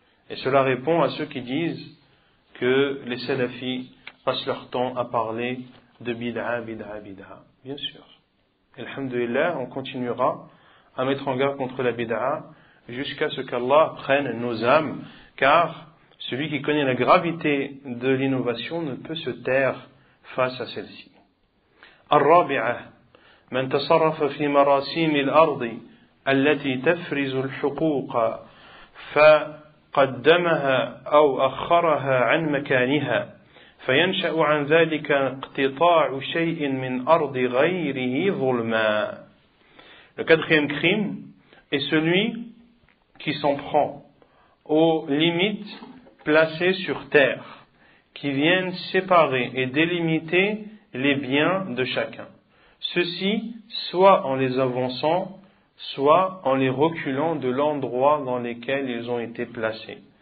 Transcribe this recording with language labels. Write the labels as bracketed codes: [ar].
[fr] Et cela répond à ceux qui disent que les salafis passent leur temps à parler de bid'a. Bien sûr. Alhamdulillah, on continuera à mettre en garde contre la bid'a jusqu'à ce qu'Allah prenne nos âmes, car celui qui connaît la gravité de l'innovation ne peut se taire face à celle-ci. [ar] الرابعة من تصرف في مراسيم الأرض التي تفرز الحقوق فقدمها أو أخرها عن مكانها فينشأ عن ذلك اقتطاع شيء من أرض غيره ظلما. [fr] Le quatrième crime est celui qui s'en prend aux limites placés sur terre, qui viennent séparer et délimiter les biens de chacun. Ceci, soit en les avançant, soit en les reculant de l'endroit dans lequel ils ont été placés.